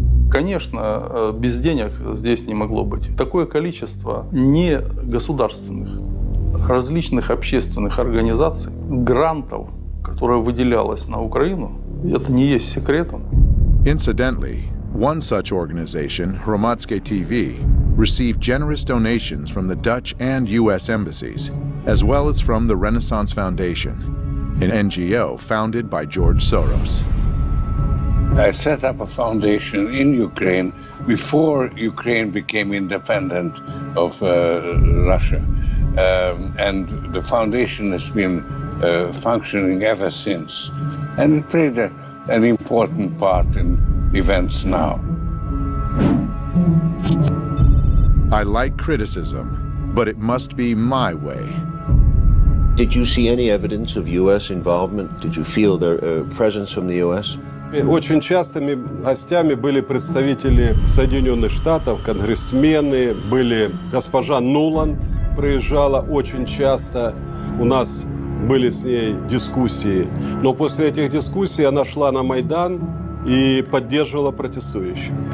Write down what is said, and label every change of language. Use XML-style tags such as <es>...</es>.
<ru>Конечно, без денег здесь не могло быть. Такое количество не государственных, различных общественных организаций, грантов, которая выделялась на Украину, это не есть секретом.</ru> <en>Incidentally, one such organization, Hromadske TV, received generous donations from the Dutch and US embassies, as well as from the Renaissance Foundation, an NGO founded by George Soros. I set up a foundation in Ukraine before Ukraine became independent of Russia. And the foundation has been functioning ever since. And it played an important part in events now. I like criticism, but it must be my way. Did you see any evidence of U.S. involvement? Did you feel their presence from the U.S.?</en> <ru>Очень частыми гостями были представители Соединенных Штатов, конгрессмены, были госпожа Нуланд приезжала очень часто. У нас были с ней дискуссии. Но после этих дискуссий она шла на Майдан и поддерживала протестующих.</ru>